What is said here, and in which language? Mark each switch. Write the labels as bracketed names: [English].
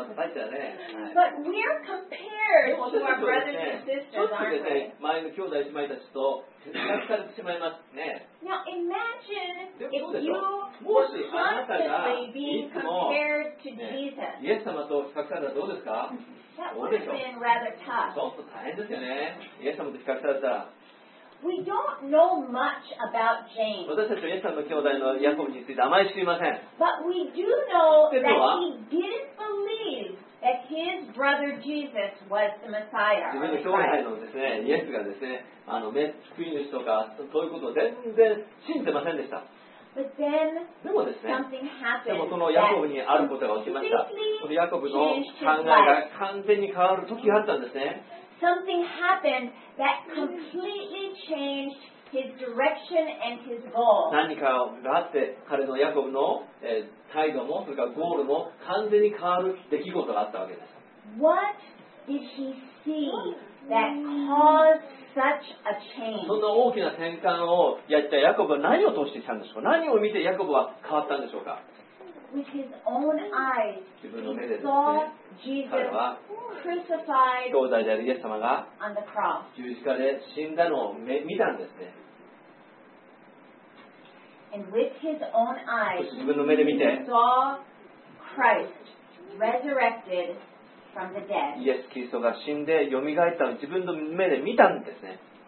[English] But we're compared to our brothers and sisters, aren't we? But we're compared to our brothers and sisters. Now imagine if you were constantly being compared to Jesus. [Japanese] イエス様と比較されたらどうですか？ [English] That would have been rather tough. [Japanese] ちょっと大変ですよね。イエス様と比較されたら。 [English] We don't know much about James. [Japanese] 私たちはイエス様の兄弟のヤコブについてあまり知りません。 [English] But we do know that he didn't believe that his brother Jesus was the Messiah. [Japanese] 自分の兄弟のですね、イエスがですね、救い主とかそういうことを全然信じてませんでした。 [English] But then, [Japanese] でもですね、 [English] something happened. [Japanese] でもそのヤコブにあることが起きました。このヤコブの考えが完全に変わる時があったんですね。 [English] Something happened that completely changed his direction and his goal. [Japanese] 何かがあって彼のヤコブの態度もそれからゴールも完全に変わる出来事があったわけです。 [English] What did he see that caused such a change? [Japanese] そんな大きな転換をやったヤコブは何を通してきたんでしょうか。何を見てヤコブは変わったんでしょうか。 [English] With his own eyes, he saw Jesus crucified [Japanese] 兄弟であるイエス様が [English] on the cross. [Japanese] 十字架で死んだのを見たんですね。 [English] And with his own eyes, [Japanese] 自分の目で見て、 [English] he saw Christ resurrected from the dead. [Japanese] イエス・キリストが死んで蘇ったのを自分の目で見たんですね。